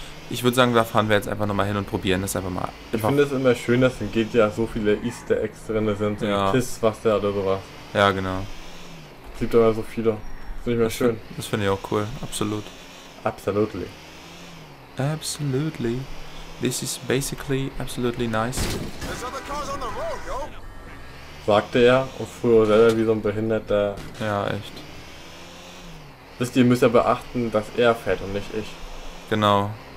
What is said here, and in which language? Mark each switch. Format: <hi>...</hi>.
<de>Ich würde sagen, da fahren wir jetzt einfach nochmal hin und probieren das einfach mal. Ich finde es immer schön, dass in GTA so viele Easter Eggs drin sind. So ja. Tiss, was der oder sowas. Ja, genau. Es gibt aber so viele. Finde ich mal schön. Das finde ich auch cool. Absolut.</de> <en>Absolutely. Absolutely. This is basically absolutely nice. There's other cars on the road, yo.</en> <de>Sagte er und fuhr selber wie so ein Behinderter. Ja, echt. Wisst ihr, müsst ihr beachten, dass er fährt und nicht ich. Genau.</de>